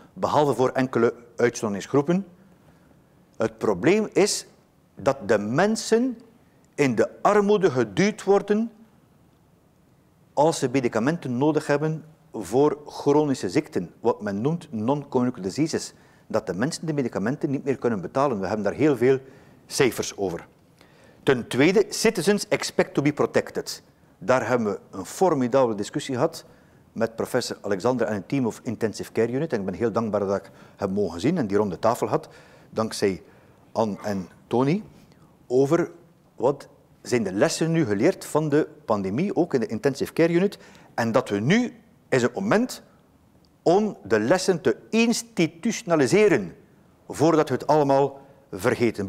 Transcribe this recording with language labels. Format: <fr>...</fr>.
<nl>Behalve voor enkele uitzonderingsgroepen. Het probleem is dat de mensen in de armoede geduwd worden als ze medicamenten nodig hebben voor chronische ziekten, wat men noemt non-communicable diseases, dat de mensen de medicamenten niet meer kunnen betalen. We hebben daar heel veel cijfers over. Ten tweede,</nl> <en>citizens expect to be protected.</en> <nl>Daar hebben we een formidabele discussie gehad met professor Alexander en het team of Intensive Care Unit. En ik ben heel dankbaar dat ik hem mogen zien en die rond de tafel had, dankzij Anne en Tony, over wat zijn de lessen nu geleerd van de pandemie, ook in de Intensive Care Unit, en dat we nu is het moment om de lessen te institutionaliseren voordat we het allemaal vergeten.</nl>